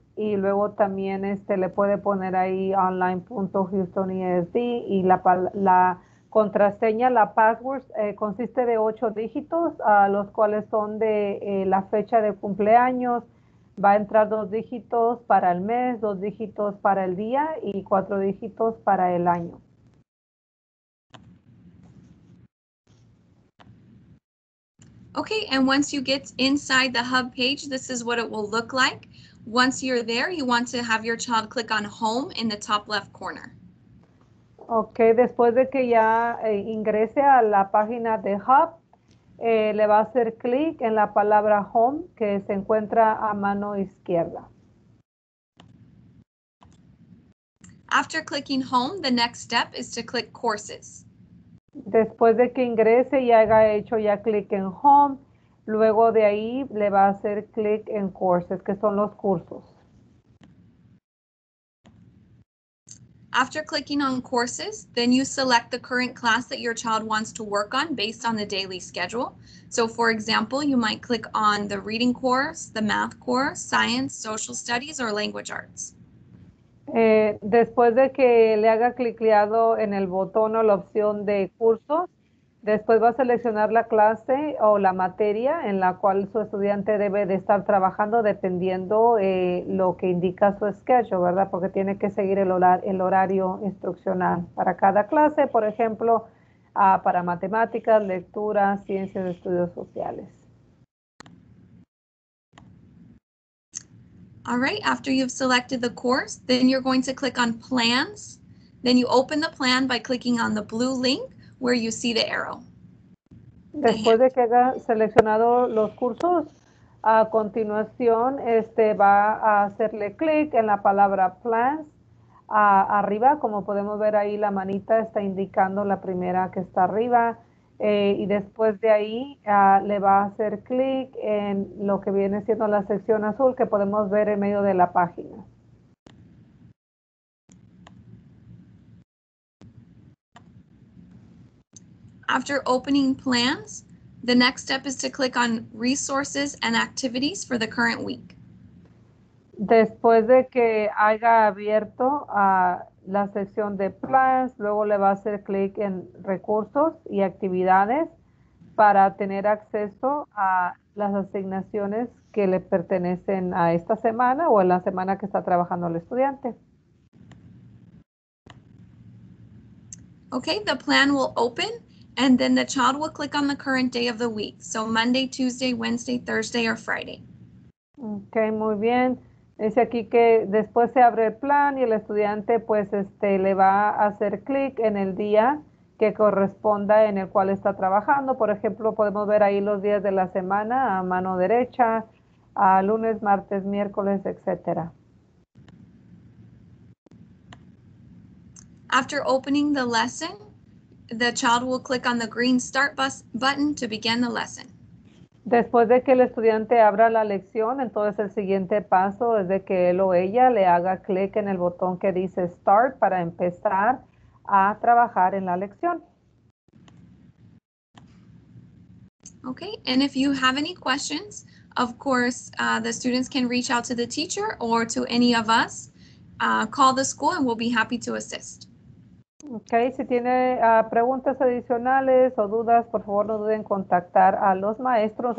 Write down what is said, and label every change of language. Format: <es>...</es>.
<es>Y luego también le puede poner ahí online.houstonisd y la contraseña, la password, consiste de 8 dígitos, los cuales son de la fecha de cumpleaños. Va a entrar 2 dígitos para el mes, 2 dígitos para el día y 4 dígitos para el año.</es> <en>Okay, and once you get inside the hub page, this is what it will look like. Once you're there, you want to have your child click on home in the top left corner.</en> <es>Ok, después de que ya ingrese a la página de Hub, le va a hacer clic en la palabra Home, que se encuentra a mano izquierda.</es> <en>After clicking Home, the next step is to click Courses.</en> <es>Después de que ingrese y haya hecho ya clic en Home, luego de ahí le va a hacer clic en Courses, que son los cursos.</es> <en>After clicking on courses, then you select the current class that your child wants to work on based on the daily schedule. So for example, you might click on the reading course, the math course, science, social studies, or language arts.</en> <es>Después de que le haga cliqueado en el botón o la opción de cursos, después va a seleccionar la clase o la materia en la cual su estudiante debe de estar trabajando dependiendo lo que indica su schedule, ¿verdad? Porque tiene que seguir el horario instruccional para cada clase, por ejemplo, para matemáticas, lectura, ciencias y estudios sociales.</es> <en>All right, after you've selected the course, then you're going to click on Plans. Then you open the plan by clicking on the blue link, where you see the arrow.</en> <es>Después de que haya seleccionado los cursos, a continuación va a hacerle clic en la palabra Plans arriba. Como podemos ver ahí, la manita está indicando la primera que está arriba. Y después de ahí, le va a hacer clic en lo que viene siendo la sección azul que podemos ver en medio de la página.</es> <en>After opening plans, the next step is to click on resources and activities for the current week.</en> <es>Después de que haya abierto la sección de plans, luego le va a hacer clic en recursos y actividades para tener acceso a las asignaciones que le pertenecen a esta semana o en la semana que está trabajando el estudiante.</es> <en>Okay, the plan will open. And then the child will click on the current day of the week. So Monday, Tuesday, Wednesday, Thursday, or Friday.</en> <es>Okay, muy bien. Dice aquí que después se abre el plan y el estudiante pues le va a hacer clic en el día que corresponda en el cual está trabajando. Por ejemplo, podemos ver ahí los días de la semana a mano derecha, a lunes, martes, miércoles, etc.</es> <en>After opening the lesson, the child will click on the green start button to begin the lesson.</en> <es>Después de que el estudiante abra la lección, entonces el siguiente paso es de que él o ella le haga clic en el botón que dice start para empezar a trabajar en la lección.</es> <en>Okay, and if you have any questions, of course, the students can reach out to the teacher or to any of us. Call the school and we'll be happy to assist.</en> <es>Ok, si tiene preguntas adicionales o dudas, por favor no duden en contactar a los maestros.</es>